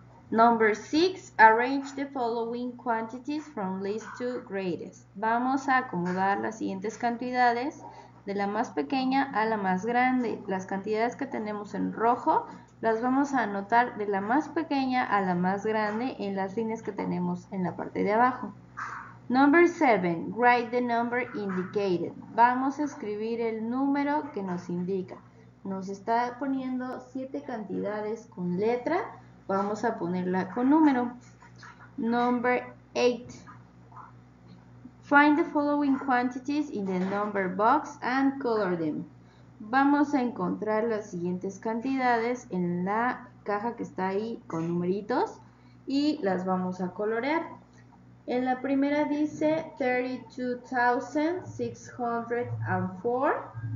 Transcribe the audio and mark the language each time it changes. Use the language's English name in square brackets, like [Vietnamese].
[English] Number 6, arrange the following quantities from least to greatest. [Spanish] Vamos a acomodar las siguientes cantidades, de la más pequeña a la más grande. Las cantidades que tenemos en rojo, las vamos a anotar de la más pequeña a la más grande en las líneas que tenemos en la parte de abajo. [English] Number 7, write the number indicated. [Spanish] Vamos a escribir el número que nos indica. Nos está poniendo 7 cantidades con letra. Vamos a ponerla con número. [English] Number 8, find the following quantities in the number box and color them. [Spanish] Vamos a encontrar las siguientes cantidades en la caja que está ahí con numeritos y las vamos a colorear. En la primera dice 32,604.